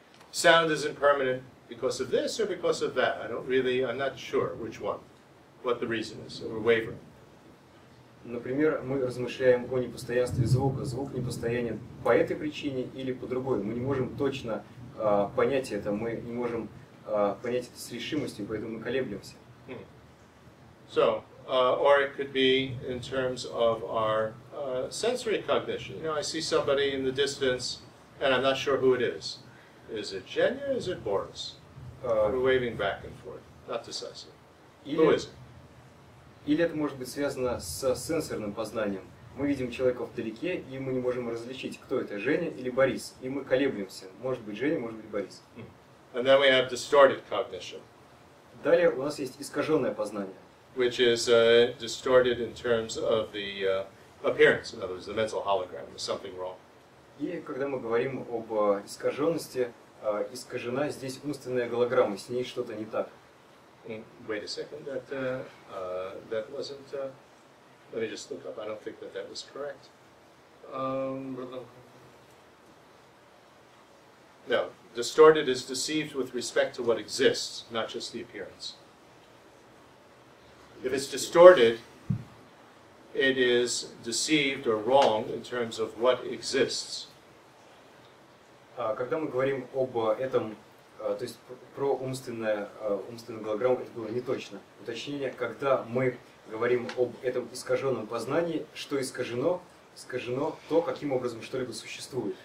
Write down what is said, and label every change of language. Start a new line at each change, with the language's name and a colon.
English: Sound is impermanent because of this or because of that. I'm not sure which one, what the reason is, or wavering.
Russian: Например, мы размышляем о непостоянстве звука. Звук непостоянен по этой причине или по другой. Мы не можем точно понять это, мы не можем понять это с решимостью, поэтому мы колеблемся.
English: So, or it could be in terms of our sensory cognition. I see somebody in the distance, and I'm not sure who it is. Is it Jenya? Is it Boris? We're waving back and forth, not decisive. Who is it?
Russian: Или это может быть связано с сенсорным познанием. Мы видим человека вдалеке, и мы не можем различить, кто это, Женя или Борис. И мы колеблемся. Может быть Женя, может быть Борис.
English: And then we have distorted cognition.
Russian: Далее у нас есть искаженное познание.
English: which is distorted in terms of the appearance, in other words, the mental hologram, there's something wrong.
Russian: И когда мы говорим об искаженности, искажена здесь умственная голограмма, с ней что-то не так.
English: Wait a second, that wasn't... let me just look up, I don't think that was correct. No, distorted is deceived with respect to what exists, not just the appearance. If it's distorted, it is deceived or wrong in terms of what exists.
Russian: Когда мы говорим об этом, то есть про умственную голограмму, это было неточно. Уточнение, когда мы говорим об этом искаженном познании, что искажено, искажено то, каким образом что-либо существует.